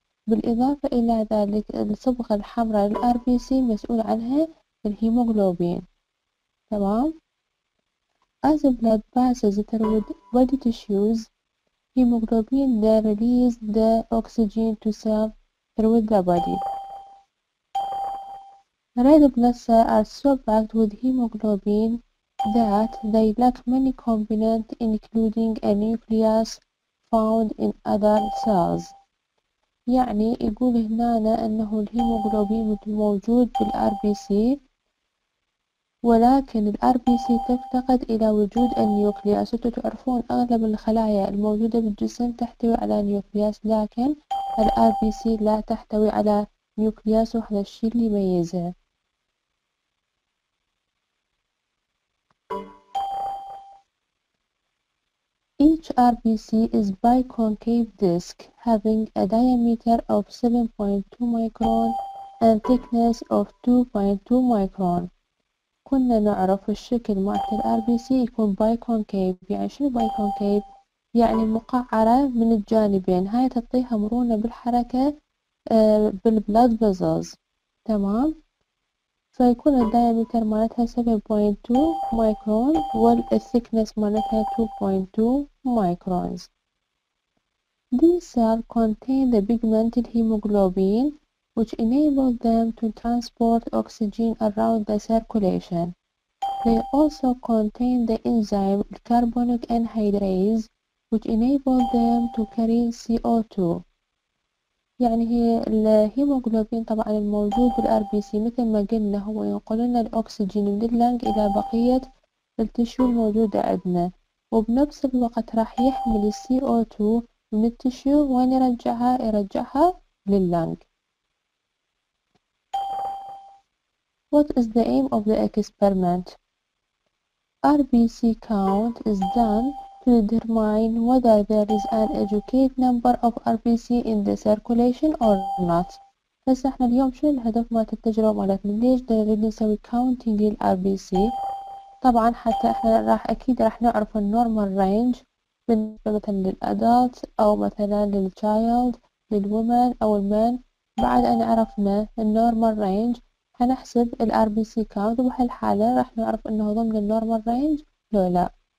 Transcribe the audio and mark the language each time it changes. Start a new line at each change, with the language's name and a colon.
Arabic: بالإضافة إلى ذلك الصبغة الحمراء للـ RBC مسؤول عنها الهيموغلوبين، تمام؟
English: As blood passes through body tissues, hemoglobin then releases the oxygen to cells through the body. Red blood cells are so packed with hemoglobin that they lack many components including a nucleus found in other cells.
Arabic: يعني يقول هنا أنه الهيموغلوبين موجود بالـ RBC، ولكن الـ RBC تفتقد إلى وجود النيوكلياس. أنتوا تعرفون أغلب الخلايا الموجودة بالجسم تحتوي على نيوكلياس، لكن الـ RBC لا تحتوي على نيوكلياس، وهذا الشيء اللي يميزها.
English: Each RBC is biconcave disc having a diameter of 7.2 micron and thickness of 2.2 micron.
Arabic: كنا نعرف الشكل مالت الـ RBC يكون بايكونكيف. يعني شنو بايكونكيف؟ يعني مقعرة من الجانبين، هاي تعطيها مرونة بالحركة بالبلاد فيزلز، تمام؟ فيكون الدايمتر مالتها 7.2 مايكرون والثيكنس مالتها 2.2 مايكرونز.
English: This cell contains the pigmented hemoglobin which enable them to transport oxygen around the circulation. They also contain the enzyme carbonic anhydrase which enable them to carry CO2.
Arabic: يعني هي الهيموغلوبين طبعا الموجود بالـ RBC مثل ما قلنا هو ينقل لنا الاكسجين من اللانج الى بقية التشو الموجودة عندنا، وبنفس الوقت راح يحمل CO2 من التشو وين يرجعها لللانج.
English: What is the aim of the experiment? RBC count is done to determine whether there is an adequate number of RBC in the circulation or not.
Arabic: بس احنا اليوم شو الهدف مالت التجربة مالتنا؟ ليش نريد نسوي counting لل RBC؟ طبعا حتى احنا اكيد راح نعرف النورمال رينج بالنسبة مثلا للأدلت او مثلا للشايلد، للومن او المان. بعد ان عرفنا النورمال رينج هنحسب الـ RBC count، وبهالحالة راح نعرف انه ضمن الـ normal range لو لا.